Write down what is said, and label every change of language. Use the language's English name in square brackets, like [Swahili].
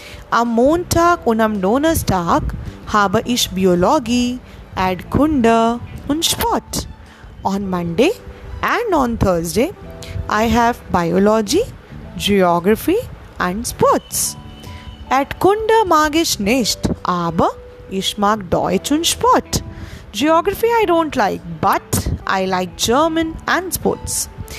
[German] Am Montag und am Donnerstag habe ich Biologie, Erdkunde und Sport. [English] On Monday and on Thursday I have Biology, Geography and Sports. [German] Erdkunde mag ich nicht, aber ich mag Deutsch und Sport. [English] Geography I don't like, but I like German and sports.